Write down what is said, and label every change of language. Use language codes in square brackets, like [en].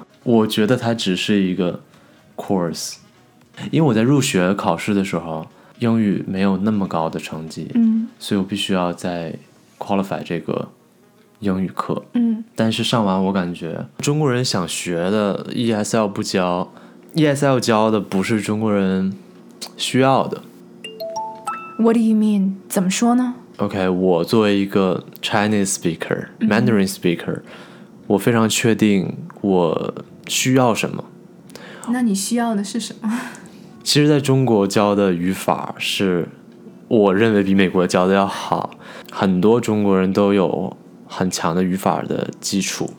[zh] 我觉得它只是一个 course。因为我在入学考试的时候英语没有那么高的成绩、嗯、所以我必须要再 qualify 这个英语课、嗯、但是上完我感觉中国人想学的 ESL 不教 ESL 教的不是中国人需要的 [en] What do you mean? [zh] 怎么说呢 OK 我作为一个 [en] Chinese speaker Mandarin speaker、嗯、 [zh] 我非常确定我需要什么那你需要的是什么其实在中国教的语法是我认为比美国教的要好很多中国人都有很强的语法的基础